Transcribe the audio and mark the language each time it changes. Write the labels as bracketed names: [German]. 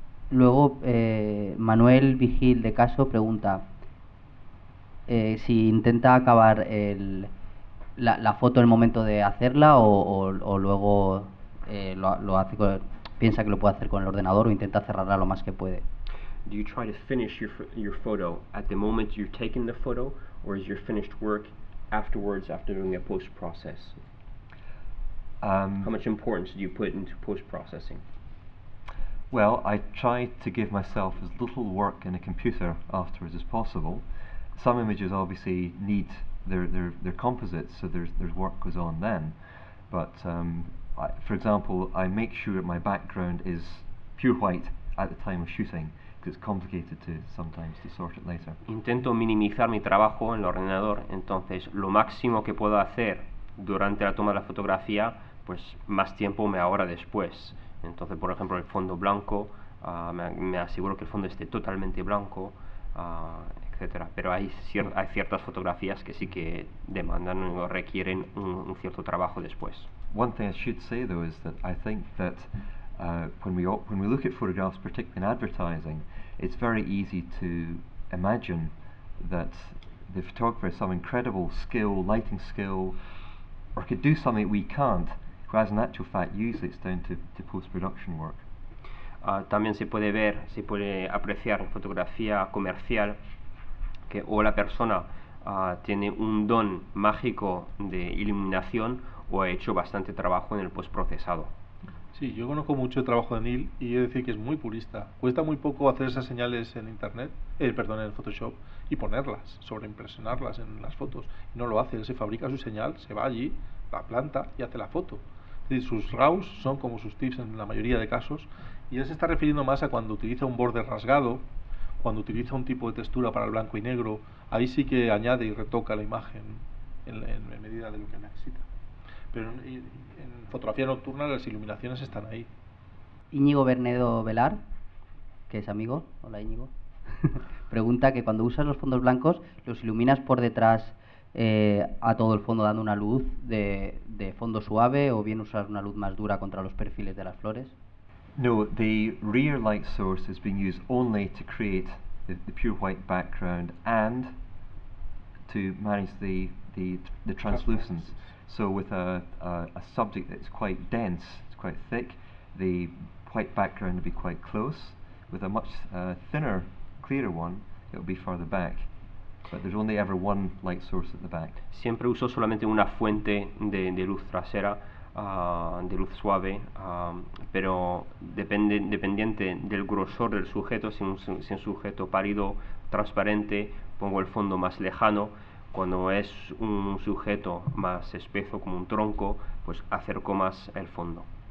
[Spanish] Luego, Manuel Vigil de Caso pregunta si intenta acabar la foto en el momento de hacerla o luego lo hace con, piensa que lo puede hacer con el ordenador o intenta cerrarla lo más que puede. [English] Do you try to finish your photo at the moment you're taking the photo or is your finished work afterwards, after doing a post-process? How much importance do you put into post-processing? Well, I try to give myself as little work in a computer afterwards as possible. Some images obviously need their composites, so there's work goes on then. But, for example, I make sure my background is pure white at the time of shooting. It's complicated to sometimes to sort it later. [Spanish] Intento minimizar mi trabajo en el ordenador, entonces lo máximo que puedo hacer durante la toma de la fotografía, pues más tiempo me ahorra después. Entonces, por ejemplo, el fondo blanco, me aseguro que el fondo esté totalmente blanco, etcétera. Pero hay ciertas fotografías que sí que demandan o requieren un cierto trabajo después. [English] One thing I should say though is that I think that when we look at photographs, particularly in advertising, it's very easy to imagine that the photographer has some incredible skill, lighting skill, or could do something we can't, whereas in actual fact, usually it's down to post-production work. [Spanish] También se puede ver, se puede apreciar en fotografía comercial que o la persona tiene un don mágico de iluminación o ha hecho bastante trabajo en el post-procesado. Sí, yo conozco mucho el trabajo de Neil y he de decir que es muy purista. Cuesta muy poco hacer esas señales en internet, en el Photoshop, y ponerlas, sobreimpresionarlas en las fotos. Y no lo hace, él se fabrica su señal, se va allí, la planta y hace la foto. Es decir, sus RAWs son como sus tips en la mayoría de casos. Y él se está refiriendo más a cuando utiliza un borde rasgado, cuando utiliza un tipo de textura para el blanco y negro, ahí sí que añade y retoca la imagen en medida de lo que necesita. Pero en fotografía nocturna las iluminaciones están ahí. Íñigo Bernedo Velar, que es amigo, hola Íñigo, pregunta que cuando usas los fondos blancos, ¿los iluminas por detrás a todo el fondo dando una luz de fondo suave o bien usas una luz más dura contra los perfiles de las flores? [English] No, the rear light source is being used only to create the pure white background and to manage the translucence. So with a subject that's quite dense, it's quite thick, the white background will be quite close. With a much thinner, clearer one, it will be farther back. But there's only ever one light source at the back. [Spanish] Siempre uso solamente una fuente de luz trasera. De luz suave, pero dependiente del grosor del sujeto, si un sujeto pálido, transparente, pongo el fondo más lejano. Cuando es un sujeto más espeso, como un tronco, pues acerco más el fondo.